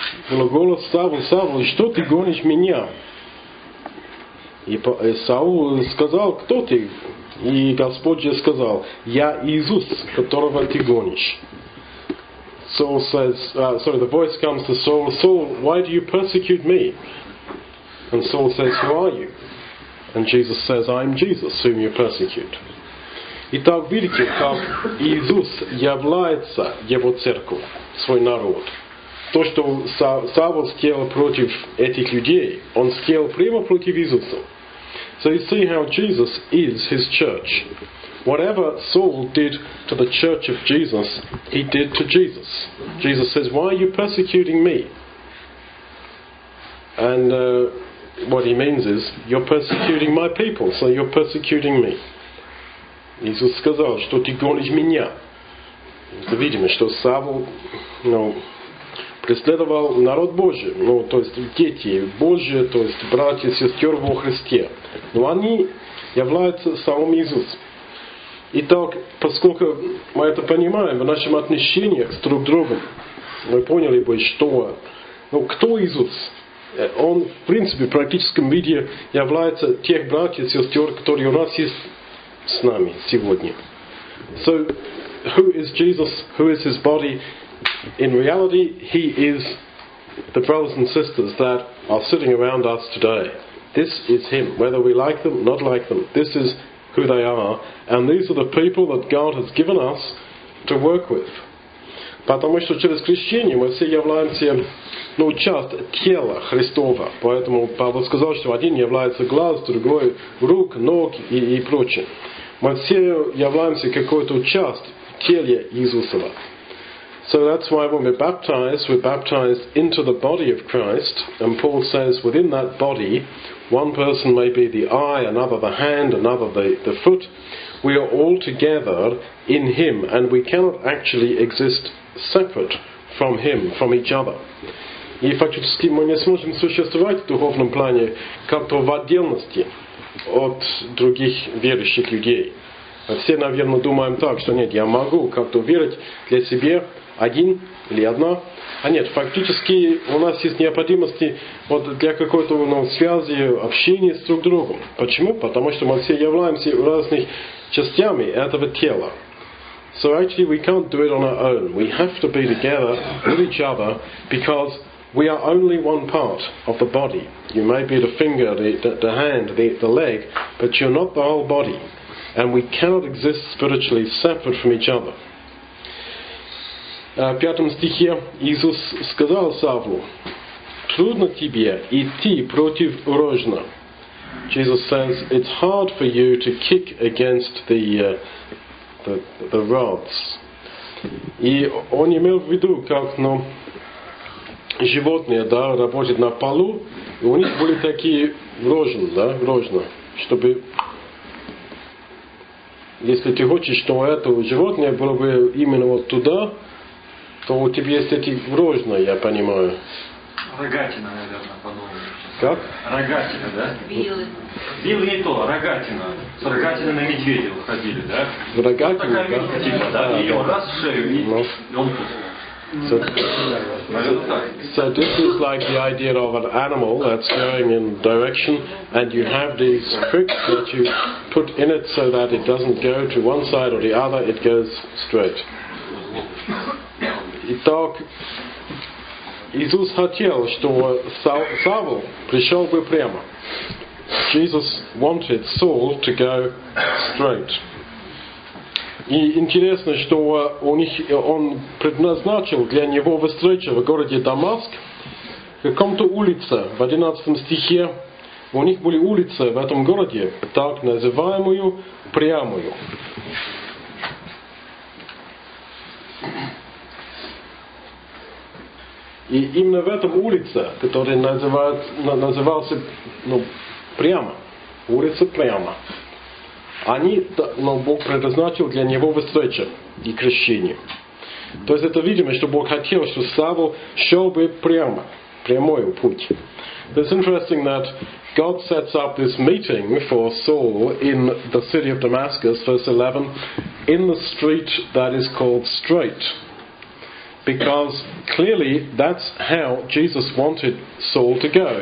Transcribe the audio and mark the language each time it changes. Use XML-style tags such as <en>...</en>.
<ru>Голос Савл, Савл, что ты гонишь меня? И Саул сказал, кто ты? И Господь же сказал, я Иисус, которого ты гонишь.</ru> <en>Saul says, the voice comes to Saul, Saul, why do you persecute me? And Saul says, who are you? And Jesus says, I am Jesus, whom you persecute.</en> <ru>Итак, видите, как Иисус является его церковью, свой народ. То, что Савва сделал против этих людей, он сделал прямо против Иисуса.</ru> <en>So you see how Jesus is his church. Whatever Saul did to the church of Jesus, he did to Jesus. Jesus says, why are you persecuting me? And what he means is, you're persecuting my people, so you're persecuting me.</en> <ru>Иисус сказал, что ты гонишь меня. Это видимо, что Савву, ну, преследовал народ Божий, ну, то есть дети Божьи, то есть братья и сестры во Христе. Но они являются самим Иисусом. Итак, поскольку мы это понимаем в нашем отношении с друг другом, мы поняли бы, что, ну, кто Иисус? Он, в принципе, в практическом виде является тех братьев и сестер, которые у нас есть с нами сегодня.</ru> <en>So, who is Jesus? Who is his body? In reality, he is the brothers and sisters that are sitting around us today. This is him, whether we like them, not like them. This is who they are, and these are the people that God has given us to work with.</en> <ru>Потому что через крещение мы все являемся, ну, часть тела Христова. Поэтому Павел сказал, что один является глаз, другой рук, ног и прочее. Мы все являемся какой-то часть тела Иисусова.</ru> <en>So that's why when we're baptized into the body of Christ. And Paul says within that body, one person may be the eye, another the hand, another the foot. We are all together in him, and we cannot actually exist separate from him, from each other.</en> <ru>И фактически мы не сможем существовать в духовном плане как-то в отдельности от других верующих людей. Все, наверное, думаем так, что нет, я могу как-то верить для себя один или одна. А нет, фактически у нас есть необходимости вот для какой-то, ну, связи, общения с друг другом. Почему? Потому что мы все являемся разными частями этого тела.</ru> <en>So actually we can't do it on our own. We have to be together with each other because we are only one part of the body. You may be the finger, the hand, the leg, but you're not the whole body. And we cannot exist spiritually separate from each other.</en> <ru>В пятом стихе Иисус сказал Савву, трудно тебе идти против рожна.</ru> <en>Jesus says, it's hard for you to kick against the rods.</en> <ru>И он имел в виду, как, ну, животные, да, работают на полу, и у них были такие рожны, да, рожна, чтобы... Если ты хочешь, чтобы это животное было бы именно вот туда, то у тебя есть эти рожные, я понимаю. Рогатина, наверное, по-новому. Как? Рогатина, да? Вилы. Вилы не то, рогатина. С рогатиной на медведя выходили, да? Рогатина, вот такая, да? Типа, да? Да, ее, да, раз в шею, и он пустит.</ru> <en>So this is like the idea of an animal that's going in direction, and you have these hooks that you put in it so that it doesn't go to one side or the other, it goes straight.</en> <ru>Итак, Иисус хотел, чтобы Савву пришел бы прямо.</ru> <en>Jesus wanted Saul to go straight.</en> <ru>И интересно, что у них, он предназначил для него встречу в городе Дамаск, в каком-то улице, в 11 стихе, у них были улицы в этом городе, так называемую прямую. И именно в этом улице, которая называлась, ну, прямо, улица прямо, они, но Бог предназначил для него встречу и крещение. То есть это видимо, что Бог хотел, что Савву шел бы прямо, прямой путь.</ru> <en>It's interesting that God sets up this meeting for Saul in the city of Damascus, verse 11, in the street that is called Straight. Because clearly that's how Jesus wanted Saul to go.</en>